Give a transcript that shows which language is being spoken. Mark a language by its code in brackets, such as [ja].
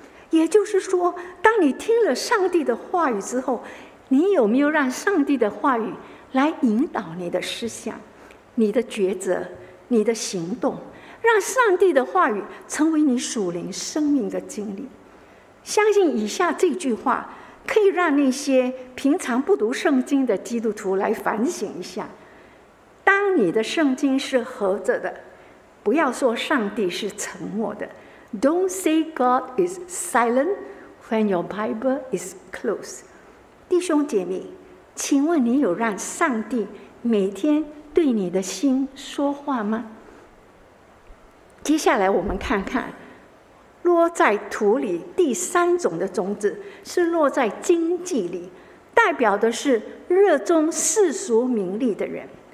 [zh] 也就是说，当你听了上帝的话语之后，你有没有让上帝的话语来引导你的思想、你的抉择、你的行动，让上帝的话语成为你属灵生命的经历。相信以下这句话可以让那些平常不读圣经的基督徒来反省一下。当你的圣经是合着的，不要说上帝是沉默的。 [en] Don't say God is silent when your Bible is closed。 [zh] 弟兄姐妹，请问你有让上帝每天对你的心说话吗？接下来我们看看落在土里第三种的种子是落在经济里，代表的是热衷世俗名利的人。